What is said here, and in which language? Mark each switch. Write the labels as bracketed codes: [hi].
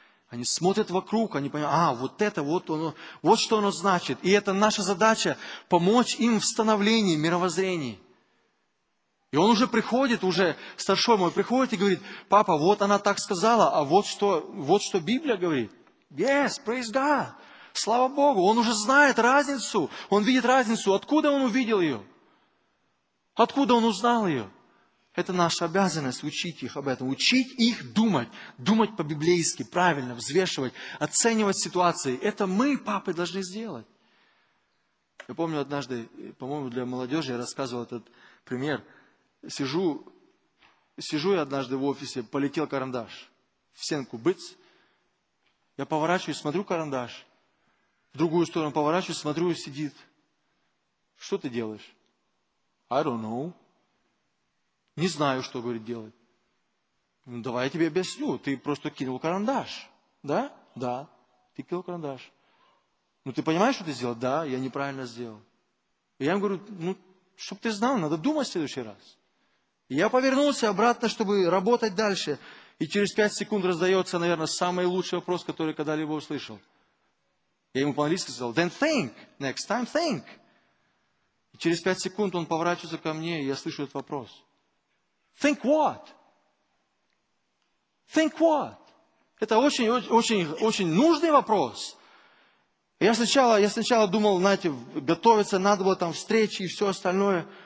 [ru] Они смотрят вокруг, они понимают, вот что оно значит. И это наша задача – помочь им в становлении, мировоззрении. И он уже приходит, уже старшой мой приходит и говорит: «Папа, вот она так сказала, а вот что Библия говорит». [en] Yes, praise God, [ru] слава Богу. Он уже знает разницу, он видит разницу. Откуда он увидел ее? Откуда он узнал ее? Это наша обязанность, учить их об этом. Учить их думать по-библейски, правильно, взвешивать, оценивать ситуации. Это мы, папы, должны сделать. Я помню однажды, по-моему, для молодежи я рассказывал этот пример. Сижу я однажды в офисе, полетел карандаш в стенку, быц. Я поворачиваюсь, смотрю карандаш, в другую сторону поворачиваюсь, смотрю, и сидит. Что ты делаешь? [en] I don't know. [ru] Не знаю, что, говорит, делать. Давай я тебе объясню, ты просто кинул карандаш. Да? Да, ты кинул карандаш. Ну, ты понимаешь, что ты сделал? Да, я неправильно сделал. И я ему говорю, чтоб ты знал, надо думать в следующий раз. Я повернулся обратно, чтобы работать дальше. И через 5 секунд раздается, наверное, самый лучший вопрос, который когда-либо услышал. Я ему по-английски сказал, [en] then think, next time think. [ru] И через 5 секунд он поворачивается ко мне, и я слышу этот вопрос. [en] Think what? Think what? [ru] Это очень, очень, очень нужный вопрос. Я сначала думал, знаете, готовиться надо было, там, встречи и все остальное.